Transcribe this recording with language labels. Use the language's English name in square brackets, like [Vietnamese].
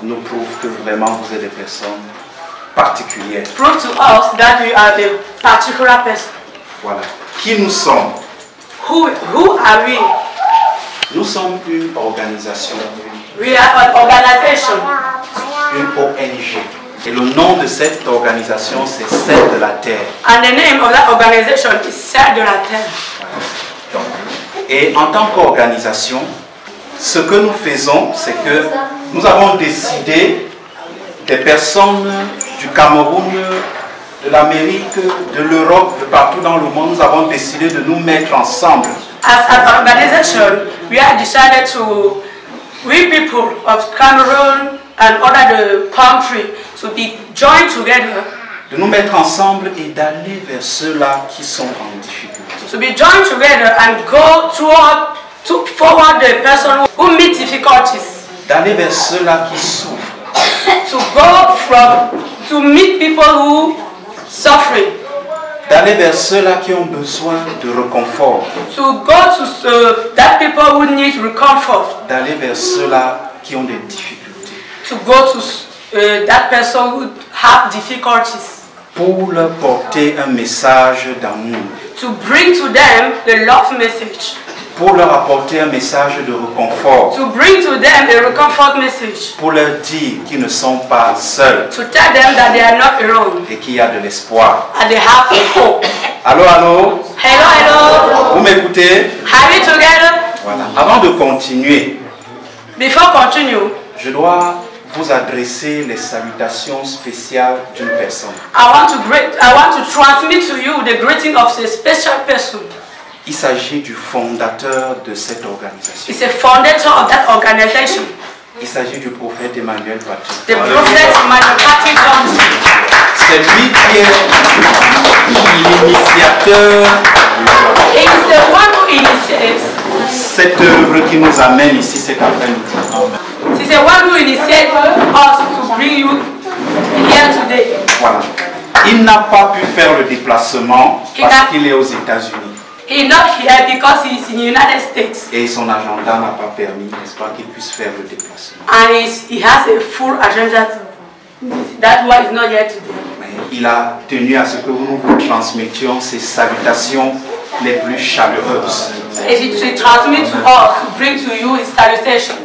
[French] Nous prouve que vraiment vous êtes des personnes particulières. [English] Prove to us that you are the particular person. [French] Voilà. Qui nous sommes? [English] Who are we? [French] Nous sommes une organisation. [English] We are an organization. [French] Une ONG. Et le nom de cette organisation, c'est Celle de la Terre. [English] And the name of that organization is Celle de la Terre. [French] Et en tant qu'organisation, ce que nous faisons, c'est que nous avons décidé des personnes du Cameroun, de l'Amérique, de l'Europe, de partout dans le monde, nous avons décidé de nous mettre ensemble. [English] As an organization, we have decided to we people of Cameroon and other the country to be joined together. [French] De nous mettre ensemble et d'aller vers ceux-là qui sont en difficulté. [English] To be joined together and go toward to forward the person who meet difficulties. [French] D'aller vers ceux-là qui souffrent. [English] To go from to meet people who suffering. [French] D'aller vers ceux-là qui ont besoin de réconfort. [English] To go to that people who need comfort. [French] D'aller vers ceux-là qui ont des difficultés. [English] To go to that person who have difficulties. [French] Pour leur porter un message d'amour. [English] To bring to them the love message. [French] Pour leur apporter un message de réconfort. [English] To bring to them a comfort message. [French] Pour leur dire qu'ils ne sont pas seuls. [English] To tell them that they are not alone. [French] Et qu'il y a de l'espoir. [English] And they have hope. [French] Allô. [English] Hello. [French] Vous m'écoutez? [English] Are we together? [French] Voilà. Avant de continuer. [English] Before continue. [French] Je dois vous adresser les salutations spéciales d'une personne. [English] I want to transmit to you the greeting of a special person. [French] Il s'agit du fondateur de cette organisation. [English] He's a fondateur of that organization. [French] Il s'agit du prophète Emmanuel Patrick. [English] The prophet Emmanuel Patrick comes. [French] C'est lui qui est l'initiateur. [English] He is the one who initiates. [French] Cette œuvre qui nous amène ici cet après-midi. [English] He's the one who initiates us to bring you here today. [French] Voilà. Il n'a pas pu faire le déplacement parce qu'il est aux États-Unis. [English] He not here because he is in the United States. [French] Et son agenda n'a pas permis, n'est-ce pas, qu'il puisse faire le déplacement. [English] And he has a full agenda. That's why he's not here today. [French] Mais il a tenu à ce que nous vous transmettions ses salutations les plus chaleureuses. [English] And he transmits to us to bring to you his salutation.